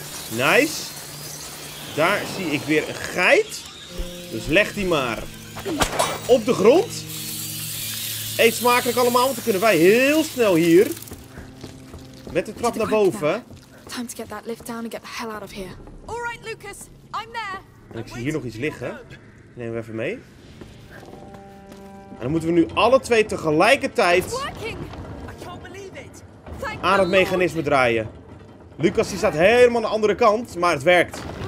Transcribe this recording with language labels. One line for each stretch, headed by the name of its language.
Dutch: Nice. Daar zie ik weer een geit. Dus leg die maar op de grond. Eet smakelijk allemaal. Want dan kunnen wij heel snel hier met de trap naar boven.
English: Time to get that lift down and get the hell out of here. Alright, Lucas. I'm there.
Dutch: En ik zie hier nog iets liggen. Die nemen we even mee. En dan moeten we nu alle twee tegelijkertijd aan het mechanisme draaien. Lucas die staat helemaal aan de andere kant, maar het werkt.